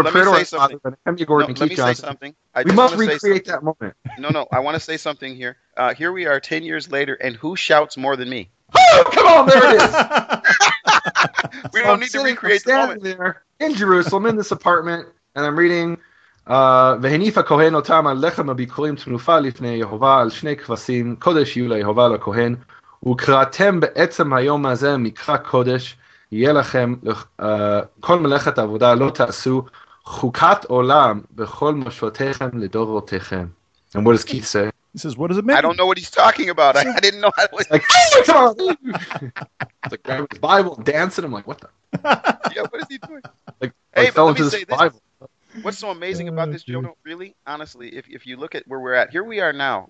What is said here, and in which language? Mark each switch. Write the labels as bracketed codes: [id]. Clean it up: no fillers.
[en] Let me say something. We must recreate that moment. No, I want to say something here. Here we are 10 years later, and who shouts more than me? Come on, there it is. We don't need to recreate the moment. I'm there in Jerusalem in this apartment, and I'm reading... [he] והניפה כהן אותם על לחם הביקורים תנופה לפני יהובה על שני כבשים, קודש יהיו ליהובה לכהן, וקראתם בעצם היום הזה מקרא קודש, יהיה לכם, כל מלאכת עבודה לא תעשו, חוקת עולם בכל משותיכם לדורותיכם. [en] And what does Keith say? He says, what does it mean? I don't know what he's talking about. I didn't know how to... Like, oh, come on! It's like, grab his Bible, dancing. I'm like, what the... Yeah, what is he doing? Like, hey, I fell into this Bible. What's so amazing about this, Jonah, really, honestly, if you look at where we're at, here we are now.